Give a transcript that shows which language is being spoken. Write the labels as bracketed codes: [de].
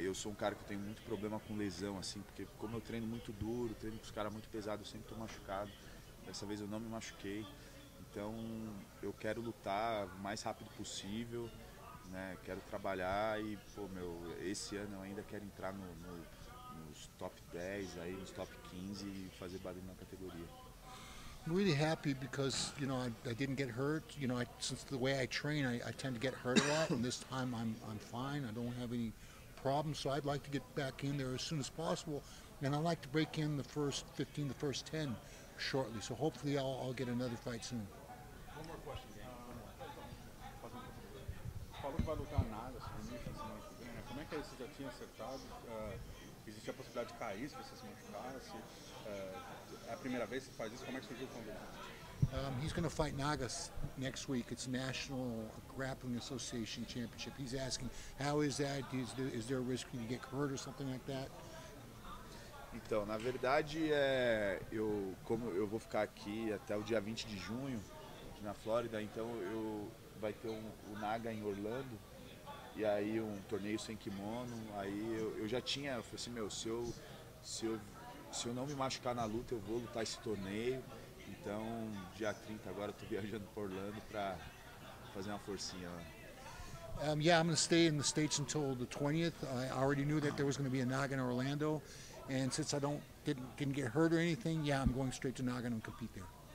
[pt] Eu sou um cara que tem muito problema com lesão, assim, porque como eu treino muito duro, treino com os caras muito pesados, eu sempre tô machucado, dessa vez eu não me machuquei, então eu quero lutar o mais rápido possível. Né, quero trabalhar e, pô, meu, esse ano eu ainda quero entrar nos top 10, aí nos top 15 e fazer barulho na categoria. [en] I'm really happy because, you know, I didn't get hurt. You know, since the way I train, I tend to get hurt a lot, and this time I'm fine. I don't have any problems, so I'd like to get back in there as soon as possible. And I'd like to break in the first 15, the first 10 shortly. So hopefully I'll get another fight soon. One more question. [pt] Falou que vai lutar nada, se machucou, se machucou, né? Como é que você já tinha acertado? Existia a possibilidade de cair se você se machucasse? É a primeira vez que você faz isso? Como é que surgiu o convite? [en] He's going to fight Nagas next week. It's National Grappling Association Championship. He's asking, how is that? Is there a risk you get hurt or something like that? [pt] Então, na verdade, eu vou ficar aqui até o dia 20 de junho, aqui na Flórida, então eu... Vai ter o Naga em Orlando, e aí um torneio sem kimono, aí eu falei assim, meu, se eu não me machucar na luta, eu vou lutar esse torneio, então dia 30 agora eu tô viajando para Orlando para fazer uma forcinha lá. [en] Yeah, I'm going to stay in the States until the 20th, I already knew that there was going to be a Naga in Orlando, and since I didn't get hurt or anything, yeah, I'm going straight to Naga and compete there.